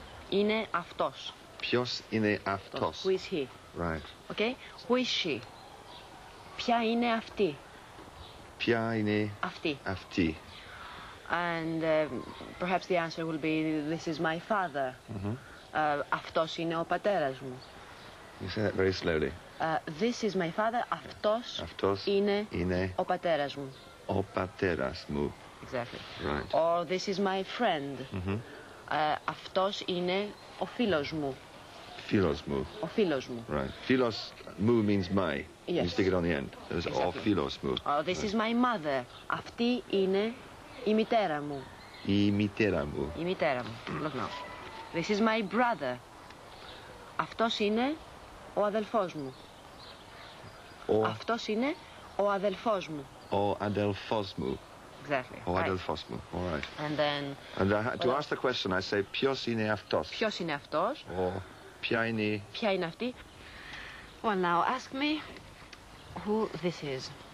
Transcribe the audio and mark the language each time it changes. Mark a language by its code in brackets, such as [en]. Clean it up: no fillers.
[el] είναι αυτός? Ποιος είναι αυτός? [en] Who is he? Right. Okay? Who is she? [el] Ποια είναι αυτή? Ποια είναι αυτή? Αυτή. [en] And perhaps the answer will be, this is my father. [el] Αυτός είναι ο πατέρας μου. [en] You say that very slowly. This is my father. [el] Αυτός είναι ο πατέρας μου. Ο πατέρας μου. [en] Exactly. Right. Or this is my friend. [el] Αυτός είναι ο φίλος μου. Φίλος μου. Ο φίλος μου. [en] Right. [el] Φίλος μου [en] means my. Yes. You stick it on the end. It was exactly. [el] Ο φίλος μου. [en] Oh, this is my mother. [el] Αυτή είναι η μητέρα μου. Η μητέρα μου. Η μητέρα μου. [en] Look now. This is my brother. [el] Αυτός είναι ο αδελφός μου. Ο... Αυτός είναι ο αδελφός μου. Ο αδελφός μου. [en] Exactly. [el] Ο [en] right. [el] αδελφός μου. [en] All right. And then... And I, to ask the question, I say, [el] ποιος είναι αυτός. Ποιος είναι αυτός. Ο... Ποια είναι... Ποια είναι αυτή. [en] Well, now, ask me who this is.